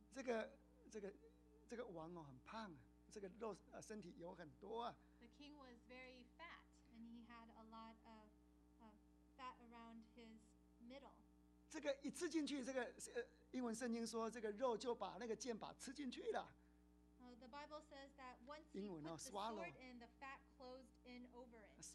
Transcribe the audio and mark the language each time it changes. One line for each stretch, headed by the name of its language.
Chinese: 这个王哦，很胖啊，这个肉身体有很多啊。
English: The king was very fat, and he had a lot of fat around his middle.
Chinese: 这个一刺进去，这个英文圣经说，这个肉就把那个剑把刺进去了。
English: The Bible says that once he put the sword in, the fat closed in over it.